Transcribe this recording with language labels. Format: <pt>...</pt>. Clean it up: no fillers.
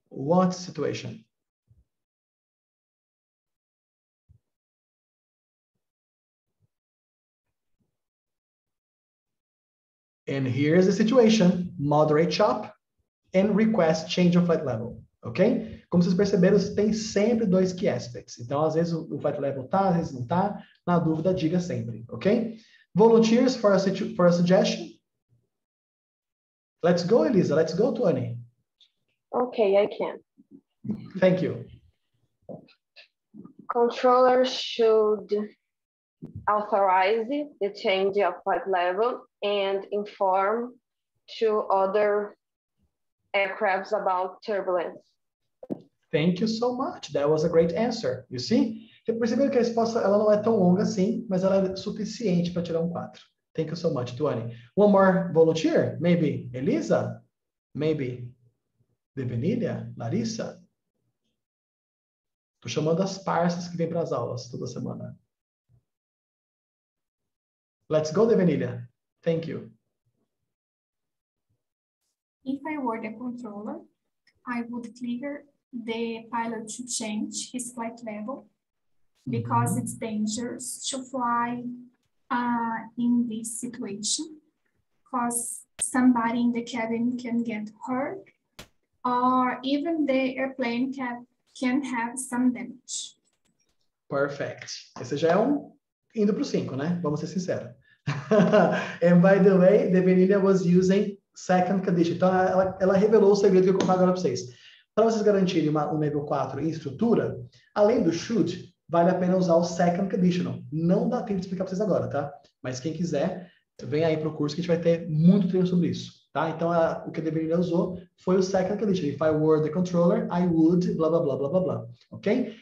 <en>What's the situation? And here is the situation, moderate chop and request change of flight level, ok?</en> <pt>Como vocês perceberam, tem sempre dois key aspects. Então, às vezes o flight level tá, às vezes não tá. Na dúvida, diga sempre, ok?</pt> <en>Volunteers for a suggestion? Let's go, Elisa. Let's go, Tony. Okay, I can. Thank you. Controller should authorize the change of flight level and inform to other aircrafts about turbulence. Thank you so much. That was a great answer. You see?</en> <pt>Você percebeu que a resposta ela não é tão longa assim, mas ela é suficiente para tirar 4.</pt> <en>Thank you so much, Tuani. One more volunteer? Maybe Elisa? Maybe Devenilia? Larissa?</en> <pt>Tô chamando as parças que vêm para as aulas toda semana.</pt> <en>Let's go, Devenilia. Thank you. If I were the controller, I would trigger the pilot to change his flight level because mm-hmm. it's dangerous to fly in this situation because somebody in the cabin can get hurt or even the airplane can have some damage. Perfect.</en> <pt>Esse já é indo pro 5, né? Vamos ser sinceros.</pt> <en>And by the way, Devenilia was using second condition.</en> <pt>Então, ela revelou o segredo que eu contava agora para vocês. Para vocês garantirem um nível 4 em estrutura, além do should, vale a pena usar o second conditional. Não dá tempo de explicar para vocês agora, tá? Mas quem quiser, vem aí pro curso que a gente vai ter muito treino sobre isso, tá? Então, o que a Devenilia usou foi o second condition.</pt> <en>If I were the controller, I would,</en> <pt>blá, blá, blá, blá, blá, blá. Ok?</pt>